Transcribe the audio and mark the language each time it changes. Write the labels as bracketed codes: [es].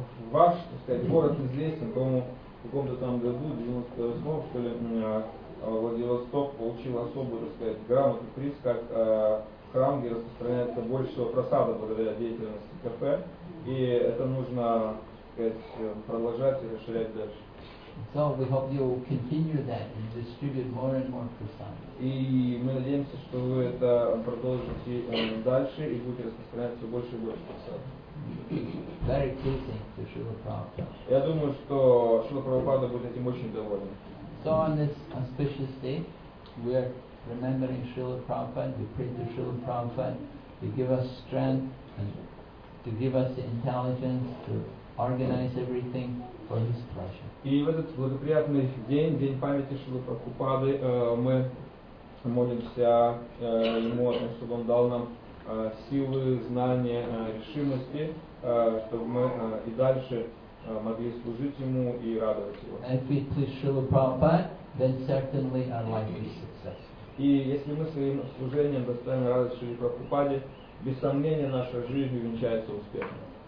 [ru] Ваш, так сказать, город известен, по-моему, в каком-то там году, 98-м, что ли, Владивосток получил особую, так сказать, грамоту, приз, как храм, где распространяется больше всего прасада благодаря деятельности кафе, и это нужно, так сказать, продолжать и расширять дальше. [en] So we hope you will continue that and distribute more and more prasada. [ru] И мы надеемся, что вы это продолжите дальше и будете распространять все больше и больше прасада. [en] Very pleasing to Srila Prabhupada. [ru] Я думаю, что Шрила Прабхупада будет этим очень доволен. [en] So on this auspicious day, we are remembering Srila Prabhupada, we pray to Srila Prabhupada to give us strength and to give us the intelligence to organize everything for his pleasure. [ru] И в этот благоприятный день памяти Шрилы Прабхупады, мы молимся ему о том, чтобы он дал нам силы, знания, решимости, чтобы мы и дальше могли служить ему и радовать его. [en] And if we please Srila Prabhupada, then certainly our life will be successful. [ru] И если мы своим служением доставим радость Шриле Прабхупаде, без сомнения, наша жизнь увенчается успехом.